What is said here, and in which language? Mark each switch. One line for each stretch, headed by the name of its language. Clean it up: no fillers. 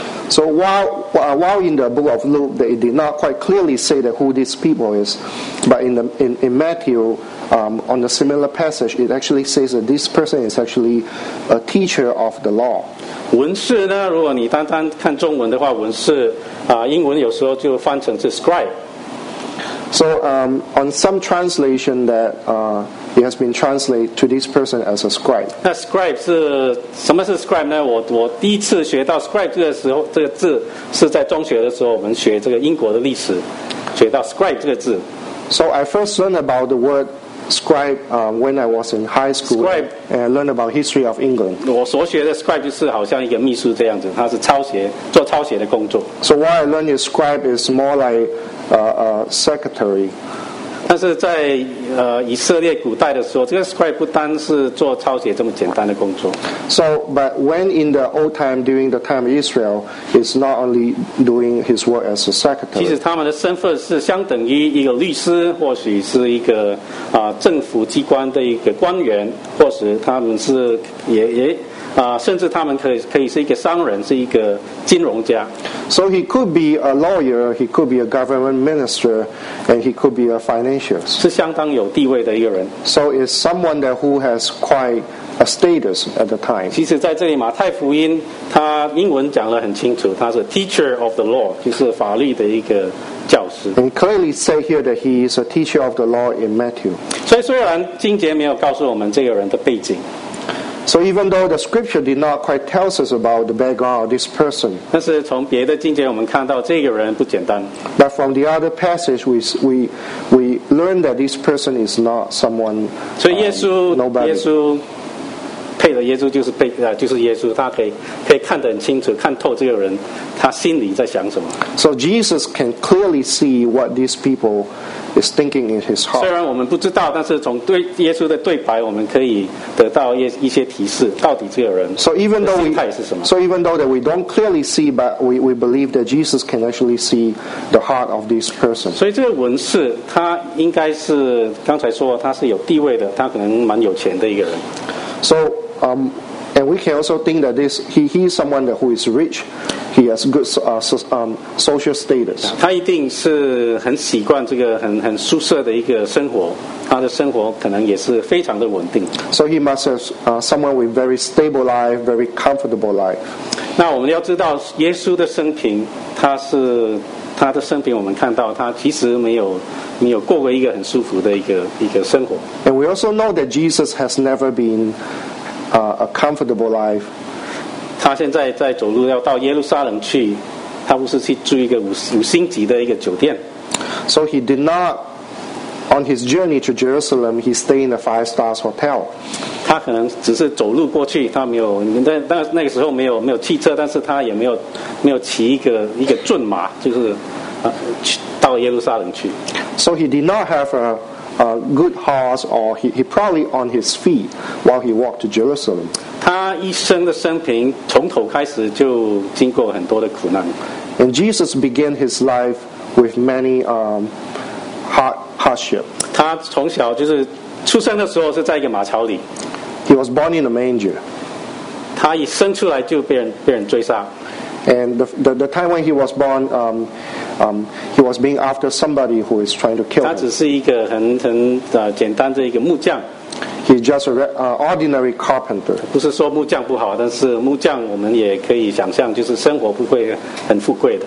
English: So while in the book of Luke, they did not quite clearly say that who these people is, but in Matthew, on a similar passage, it actually says that this person is actually a teacher of the law.
Chinese: 文士呢？如果你单单看中文的话，文士英文有时候就翻成是 scribe.
English: So on some translation that it has been translated to this person as a scribe.
Chinese: 那 scribe 是什么是 scribe 呢？我第一次学到 scribe 这个时候，这个字是在中学的时候，我们学这个英国的历史，学到 scribe 这个字。
English: So I first learned about the word scribe when I was in high school. Scribe, and I learned about history of England.
Chinese: 我所学的 scribe 就是好像一个秘书这样子，他是抄写，做抄写的工作。
English: So what I learned is scribe is more like a secretary.
Chinese: 但是在以色列古代的时候，这个 scribe 不单是做抄写这么简单的工作。
English: So, but when in the old time, during the time of Israel, he's not only doing his work as a secretary.
Chinese: 其实他们的身份是相等于一个律师，或许是一个政府机关的一个官员，或是他们是也甚至他们可以是一个商人，是一个金融家。
English: So he could be a lawyer, he could be a government minister, and he could be a financier.
Chinese: 是相当有地位的一个人。
English: So it's someone that who has quite a status at the time.
Chinese: 其实在这里马太福音，他英文讲得很清楚，他是
English: teacher of the law,
Chinese: 就是法律的一个教师。
English: And clearly say here that he is a teacher of the law in Matthew.
Chinese: 所以虽然经节没有告诉我们这个人的背景。
English: So even though the scripture did not quite tell us about the background of this person,
Chinese: 但是从别的经节我们看到这个人不简单。
English: But from the other passage, we learn that this person is not someone.
Chinese: 所以耶稣、
English: nobody.
Chinese: 耶稣配了耶稣就是耶稣，他可以看得很清楚，看透这个人他心里在想什么。
English: So Jesus can clearly see what these people is thinking in his heart.
Chinese: 虽然我们不知道，但是从对耶稣的对白，我们可以得到一些提示，到底这个人的心态是什么。
English: So even though that we don't clearly see, but we believe that Jesus can actually see the heart of this person.
Chinese: 所以这个文士他应该是刚才说他是有地位的，他可能蛮有钱的一个人。
English: So and we can also think that this he is someone that who is rich. He has good social status.
Chinese: 他一定是很习惯这个很舒适的一个生活，他的生活可能也是非常的稳定。
English: So he must have someone with very stable life, very comfortable life.
Chinese: 那我们要知道耶稣的生平，他是他的生平，我们看到他其实没有过过一个很舒服的一个生活。
English: And we also know that Jesus has never been a comfortable life.
Chinese: 他现在在走路要到耶路撒冷去，他不是去住一个五星级的一个酒店。
English: So he did not, on his journey to Jerusalem, he stayed in a five-star hotel.
Chinese: 他可能只是走路过去，他没有那个时候没有汽车，但是他也没有骑一个骏马，就是去到耶路撒冷去。
English: So he did not have a good horse, or he probably on his feet while he walked to Jerusalem.
Chinese: 他一生的生平从头开始就经过很多的苦难。
English: And Jesus began his life with many hardship.
Chinese: 他从小就是出生的时候是在一个马槽里。
English: He was born in a manger.
Chinese: 他一生出来就被人追杀。
English: And the time when he was born, he was being after somebody who is trying to kill him.
Chinese: 他只是一个很简单的一个木匠。
English: He's just an ordinary carpenter.
Chinese: 不是说木匠不好，但是木匠我们也可以想象，就是生活不会很富贵的。